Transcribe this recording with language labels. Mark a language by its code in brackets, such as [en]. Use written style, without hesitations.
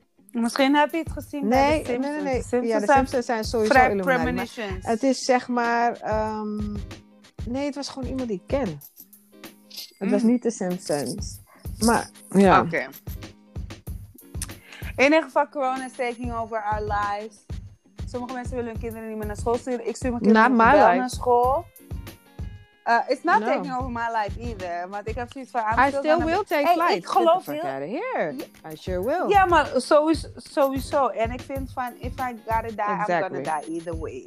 [nl] Misschien heb je het gezien bij de Simpsons. Nee. De Simpsons zijn sowieso Illuminati. Het is zeg maar... Nee, het was gewoon iemand die ik ken. Het was niet de Simpsons. Maar ja. Oké. Okay. In ieder geval, [en] corona is taking over our lives. [nl] Sommige mensen willen hun kinderen niet meer naar school sturen. Ik stuur mijn kinderen niet meer naar school. [en] It's not no. taking over my life either. [nl] Want ik heb zoiets van... [en] I still will take flights. [nl] Ik geloof heel... [en] I sure will. Ja, yeah, [nl] maar sowieso. En ik vind van... [en] If I gotta die, exactly. I'm gonna die either way.